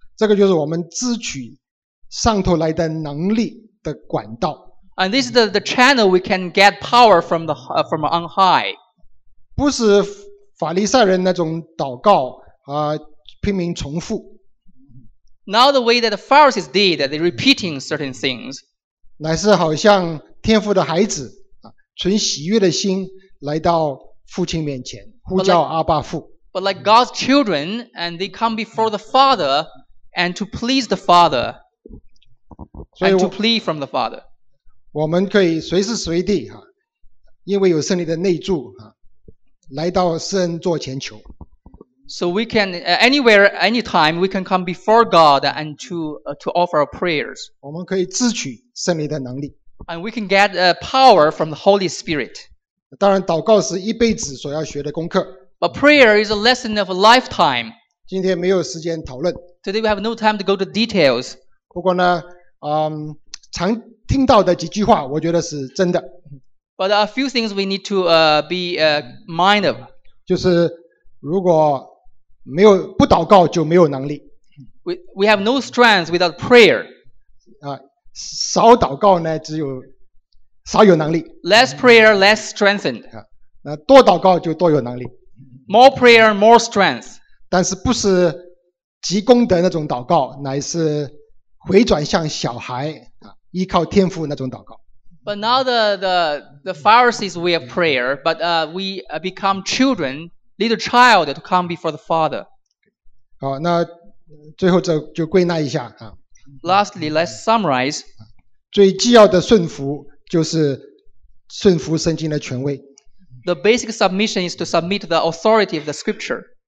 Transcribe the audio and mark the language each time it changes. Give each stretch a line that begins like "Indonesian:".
Chinese: 这个就是我们支取上头来的能力的管道。
English: And this is the channel we can get power from the from on high.
Chinese: 不是法利赛人那种祷告啊，拼命重复。
English: Not the way that the Pharisees did, they repeating certain things.
Chinese: 乃是好像天父的孩子啊，存喜悦的心来到父亲面前，呼叫阿爸父。
English: But like God's children, and they come before the Father, and to please the Father, and to plead from the Father.
Chinese: 我们可以随时随地啊，因为有圣灵的内住啊，来到施恩座前求。
English: So we can anywhere, anytime, we can come before God and to offer our prayers.
Chinese: 我们可以支取圣灵的能力。
English: And we can get power from the Holy Spirit.
Chinese: 当然，祷告是一辈子所要学的功课。
English: But prayer is a lesson of a lifetime.
Chinese: 今天没有时间讨论。
English: Today we have no time to go to details.
Chinese: 不过呢，常听到的几句话，我觉得是真的。
English: But a few things we need to be mind of.
Chinese: 就是如果没有不祷告就没有能力。
English: We have no strength without prayer.
Chinese: 少祷告呢，只有少有能力。
English: Less prayer, less strengthened.
Chinese: 多祷告就多有能力。
English: More prayer, more strength.
Chinese: 但是不是积功德那种祷告，乃是回转向小孩依靠天父那种祷告。
English: But now the Pharisees we have prayer, but we become children, little child to come before the Father.
Chinese: 好，那最后就归纳一下啊。
English: Lastly, let's summarize.
Chinese: 最基要的顺服就是顺服圣经的权威。
English: The basic submission is to submit the authority of the Scripture.